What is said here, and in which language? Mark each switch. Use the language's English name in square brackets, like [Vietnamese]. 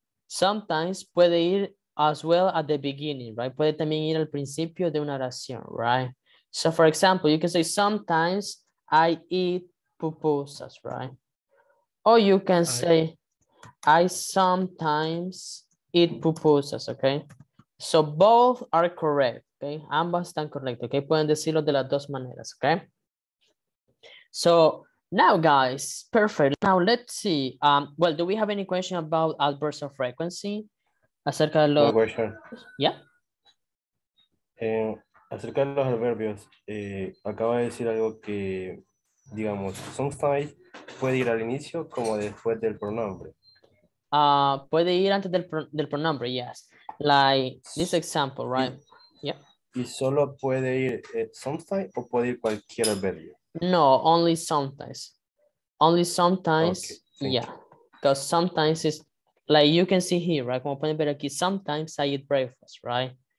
[English] Sometimes [Spanish] puede ir [English] as well at the beginning, right? [Spanish] Puede también ir al principio de una oración, [English] right? So, for example, you can say, sometimes I eat pupusas, right? Or you can say, I sometimes eat pupusas, okay? So, both are correct, okay? [Spanish] Ambas están correctas, [English] okay? [Spanish] Pueden decirlo de las dos maneras, [English] okay? So, now, guys, perfect. Now, let's see. Well, do we have any question about adverbs of frequency? [Spanish] Acerca de los... [English] No question. Yeah? [Spanish] Acerca de los adverbios, acaba de decir algo que, digamos, sometimes puede ir al inicio como después del pronombre. Puede ir antes del pronombre, [English] yes. Like this example, right? [Spanish] Y solo puede ir sometimes o puede ir cualquier adverbio? [English] No, only sometimes. Only sometimes, okay, yeah. Because sometimes it's like you can see here, right? [Spanish] Como pueden ver aquí, [English] sometimes I eat breakfast, right?